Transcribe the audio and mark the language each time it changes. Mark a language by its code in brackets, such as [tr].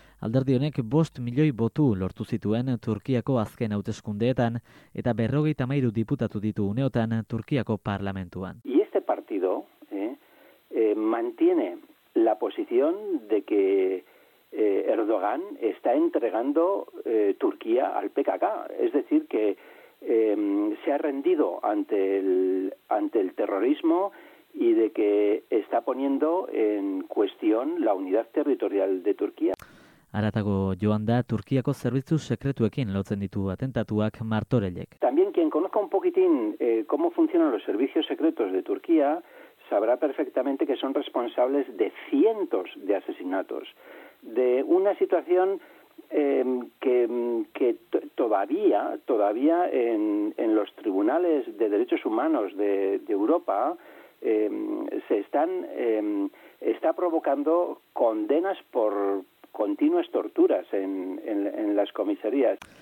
[eu] Alderdi honek 5 milioi botu lortu zituen Turkiako azken hauteskundeetan eta 43 diputatu ditu uneotan Turkiako parlamentuan. [es] Y este partido mantiene la posición de que Erdogan está entregando Turquía al PKK, es decir, que se ha rendido ante el terrorismo y de que está poniendo en cuestión la unidad territorial de Turquía. [eu] Aratago joan da Turkiako zerbitzu sekretuekin lotzen ditu atentatuak Martorellek. [es] También quien conozca un poquitín cómo funcionan los servicios secretos de Turquía sabrá perfectamente que son responsables de cientos de asesinatos, de una situación que todavía en los tribunales de derechos humanos de Europa está provocando condenas por continuas torturas en las comisarías.